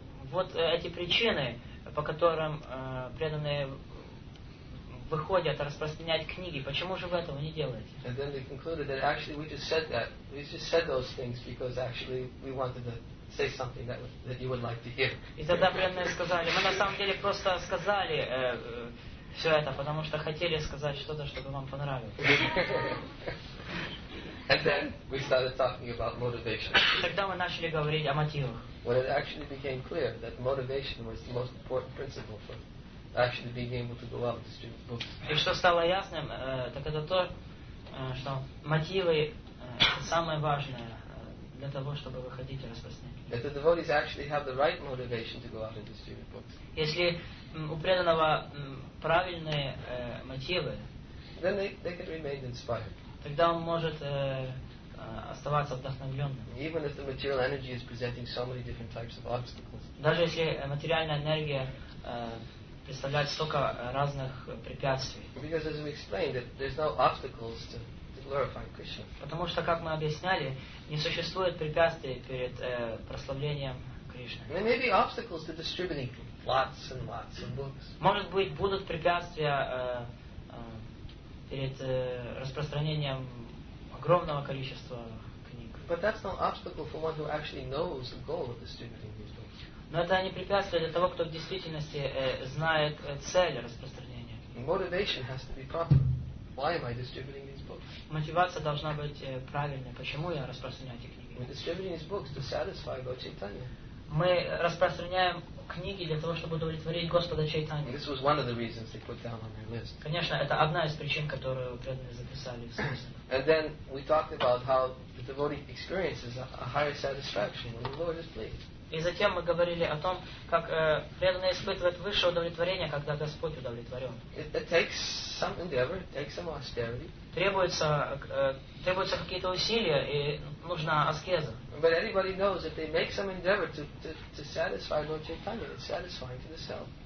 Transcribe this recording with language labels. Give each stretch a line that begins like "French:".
Russian: Вот эти причины, по которым преданные выходят распространять книги. Почему же вы этого не делаете?
English: And then they concluded that actually we just said those things because actually we wanted to say something that you would like to hear.
Russian: И тогда преданные сказали, мы на самом деле просто сказали все это, потому что хотели сказать что-то, чтобы вам понравилось.
English: And then we started talking about motivation.
Russian: Тогда мы начали говорить о мотивах.
English: When it actually became clear that motivation was the most important principle for actually being able to go out and distribute books.
Russian: И что стало ясным, так это то, что мотивы самое важное для того, чтобы выходить и распространять.
English: If the devotees actually have the right motivation to go out and distribute books.
Russian: Если у преданного правильные мотивы,
English: then they can remain inspired.
Russian: Тогда он может оставаться вдохновленным.
English: Even if the material energy is presenting so many different types of obstacles.
Russian: Даже если материальная энергия представляет столько разных препятствий.
English: Because as we explained, there's no obstacles to glorifying Krishna.
Russian: Потому что, как мы объясняли, не существует препятствий перед прославлением Кришны.
English: There may be obstacles to distributing lots and lots of books.
Russian: Может быть, будут препятствия перед распространением огромного количества книг.
English: But that's no obstacle for one who actually knows the goal of distributing these books.
Russian: Но это не препятствие для того, кто в действительности знает цель распространения.
English: Motivation has to be proper. Why am I distributing these books?
Russian: Мотивация должна быть правильной. Почему я распространяю эти книги?
English: We're distributing these books to satisfy Lord Chaitanya.
Russian: Мы распространяем книги для того, чтобы удовлетворить Господа Чайтанью.
English: This was one of the reasons they put down on their list.
Russian: Конечно, это одна из причин, которую преданные записали в список.
English: And then we talked about how the devotee experiences a higher satisfaction when the Lord is pleased.
Russian: И затем мы говорили о том, как преданный испытывает высшее удовлетворение, когда Господь удовлетворен.
English: It takes some endeavor, it takes some austerity.
Russian: Требуются какие-то усилия и нужна аскеза.
English: But anybody knows if they make some endeavor to satisfy Lord Chaitanya, it's satisfying to the self.